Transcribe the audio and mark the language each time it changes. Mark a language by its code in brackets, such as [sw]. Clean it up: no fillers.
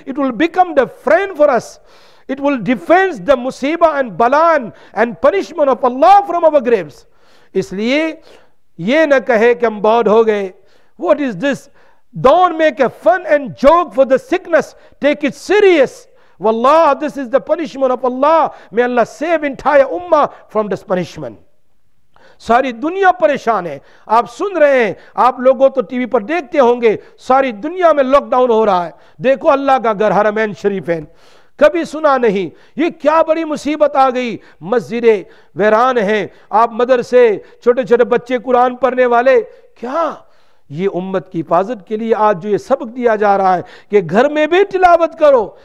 [en] It will become the friend for us, it will defense the musiba and balan and punishment of Allah from our graves. [ur] اس لیے یہ نہ کہے کہ ہم board ہو گئے. [en] What is this? Don't make a fun and joke for the sickness. Take it serious. Wallah, this is the punishment of Allah. May Allah save entire ummah from this punishment. [ur] ساری دنیا پریشان ہے. آپ سن رہے ہیں, آپ لوگوں تو ٹی وی پر دیکھتے ہوں گے, ساری دنیا میں لاک ڈاؤن ہو رہا ہے. دیکھو اللہ کا گھر حرمین شریف ہے, کبھی سنا نہیں یہ کیا بڑی مصیبت آ گئی. مسجدیں ویران ہیں, آپ مدرسے, چھوٹے چھوٹے بچے قرآن پڑھنے والے, کیا یہ امت کی حفاظت کے لیے آج جو یہ سبق دیا جا رہا ہے کہ گھر میں بھی تلاوت کرو.